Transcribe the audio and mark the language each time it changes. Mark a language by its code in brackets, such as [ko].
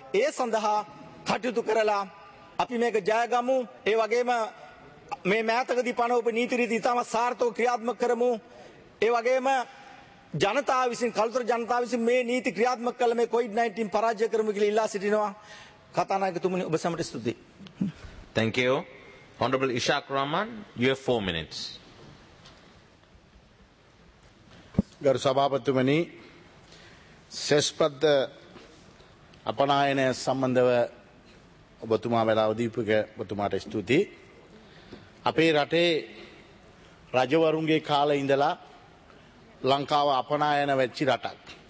[si] ඒ සඳහා කටයුතු කරලා අපි මේක ජයගමු. ඒ වගේම මේ මෑතකදී පනවපු නීති රීති ඉතාම සාර්ථකව ක්‍රියාත්මක කරමු. ඒ වගේම ජනතාව විසින් කලුතර ජනතාව විසින් මේ නීති ක්‍රියාත්මක කළ මේ කොවිඩ් 19 පරාජය කරමු කියලා ඉල්ලා සිටිනවා. කතානායකතුමනි ඔබ සැමට ස්තුතියි. [en] Thank you. Honorable Ishak Rahman, you have 4 minutes. [si] ගරු සභාපතිතුමනි, සෙස්පද අපනායනය සම්බන්ධව ඔබතුමා වේලාව දීපුක ඔබතුමාට ස්තුතියි. අපේ රටේ රජවරුන්ගේ කාලේ ඉඳලා ලංකාව අපනායන වෙච්ච රටක්.